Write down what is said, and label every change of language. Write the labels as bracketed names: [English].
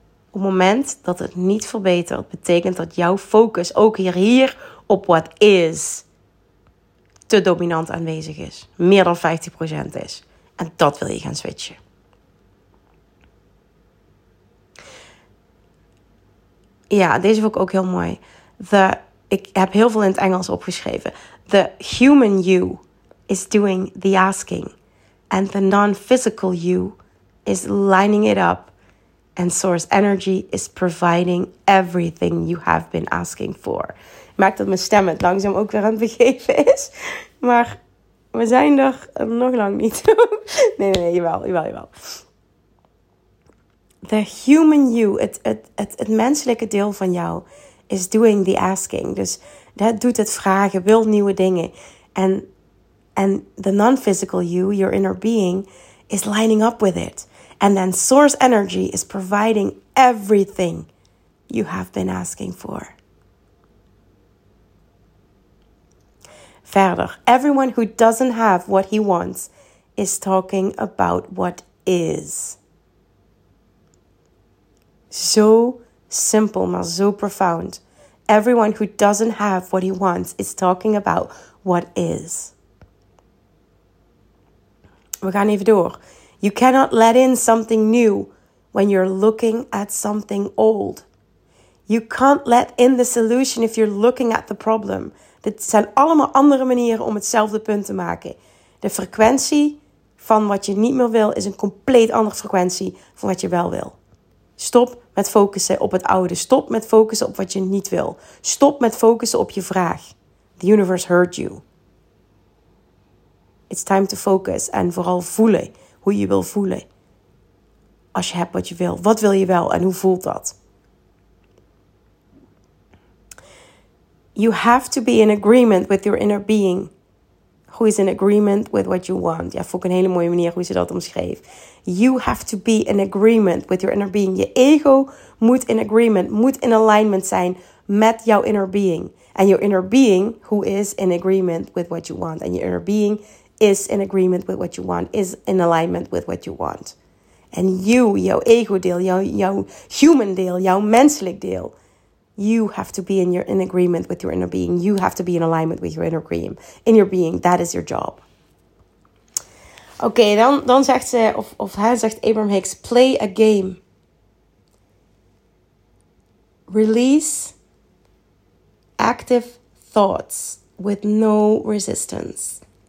[Dutch] Op het moment dat het niet verbetert, betekent dat jouw focus ook hier op what is te dominant aanwezig is. Meer dan 50% is. En dat wil je gaan switchen. Ja, deze vond ik ook heel mooi. Ik heb heel veel in het Engels opgeschreven. [English] The human you is doing the asking. And the non-physical you is lining it up. And source energy is providing everything you have been asking for. [Dutch] Ik merk dat mijn stem het langzaam ook weer aan het begeven is. Maar we zijn er nog lang niet. Nee, jawel. [English] The human you, [Dutch] het menselijke deel van jou, [English] is doing the asking. [Dutch] Dus dat doet het vragen, wil nieuwe dingen. [English] En the non-physical you, your inner being, is lining up with it. And then source energy is providing everything you have been asking for. Verder, everyone who doesn't have what he wants is talking about what is. [Dutch] Zo simpel, maar zo profound. [English] Everyone who doesn't have what he wants is talking about what is. [Dutch] We gaan even door. [English] You cannot let in something new when you're looking at something old. You can't let in the solution if you're looking at the problem. [Dutch] Dit zijn allemaal andere manieren om hetzelfde punt te maken. De frequentie van wat je niet meer wil is een compleet andere frequentie van wat je wel wil. Stop met focussen op het oude. Stop met focussen op wat je niet wil. Stop met focussen op je vraag. [English] The universe heard you. It's time to focus [Dutch] en vooral voelen hoe je wil voelen. Als je hebt wat je wil, wat wil je wel en hoe voelt dat? [English] You have to be in agreement with your inner being. Who is in agreement with what you want? [Dutch] Ja, vond ik een hele mooie manier hoe ze dat omschreef. [English] You have to be in agreement with your inner being. [Dutch] Je ego moet in agreement, moet in alignment zijn met jouw inner being. [English] And your inner being, who is in agreement with what you want. And your inner being is in agreement with what you want, is in alignment with what you want. And you, [Dutch] jouw ego deel, jouw human deel, jouw menselijk deel. [English] You have to be in agreement with your inner being. You have to be in alignment with your inner being. In your being, that is your job. [Dutch] Oké, dan zegt ze, of hij zegt Abraham Hicks, [English] play a game. Release active thoughts with no resistance.